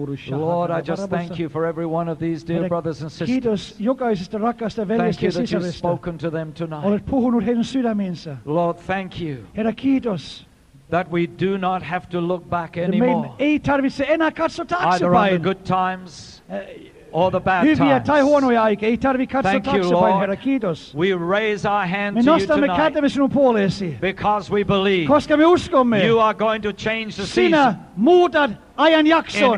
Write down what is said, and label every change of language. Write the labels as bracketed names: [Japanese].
[English] Lord, I just thank you for every one of these dear brothers and sisters. [Finnish] Kiitos jokaisesta rakkaasta veljestä ja sisaresta. [English] Thank you that you spoken to them tonight. [Finnish] Olet puhunut heidän sydämiinsä. [English] Lord, thank you. [Finnish] Herra, kiitos. [English] That we do not have to look back anymore. [Finnish] Ei tarvitse enää katsoa taaksepäin. [English] Either on the good times or the bad [Finnish] hyviä [English] times. [Finnish] Hyviä tai huonoja aikaa. Ei tarvitse katsoa taaksepäin. Herra, kiitos. [English] We raise our hand [Finnish] me [English] to you tonight. [Finnish] Me nostamme kätemme sinun puoleesi. [English] Because we believe. [Finnish] Koska me uskomme. [English] You are going to change the [Finnish] sinä [English] season. [Finnish] Sinä muutat ajan jakson.